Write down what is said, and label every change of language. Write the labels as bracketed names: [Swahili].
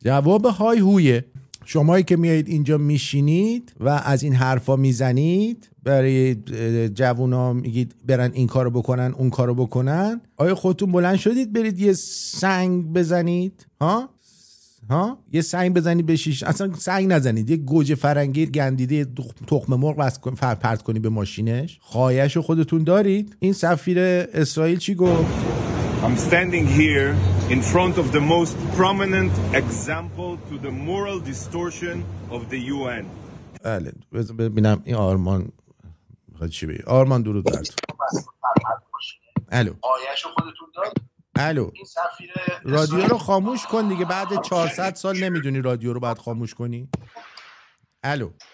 [Persian] جواب های هویه. شمایی که میایید اینجا میشینید و از این حرفا میزنید برای جوونا، میگید برن این کارو بکنن اون کارو بکنن، آیا خودتون بلند شدید برید یه سنگ بزنید؟ ها یه سنگ بزنید به شیش، اصلا سنگ نزنید، یه گوجه فرنگی گندیده تخم مرغ پرت کنید به ماشینش؟ خواهشو خودتون دارید. این سفیر اسرائیل چی گفت؟ [English] I'm standing here in front of the most prominent example to the moral distortion of the UN. [Persian] بله، ببینم این آرمان میخواد چی بگه. آرمان درود بر تو. الو. آیاشو خودتون دارید؟ الو. این سفیر رادیو رو خاموش کن دیگه، بعد 400 سال نمیدونی رادیو رو باید خاموش کنی؟ الو.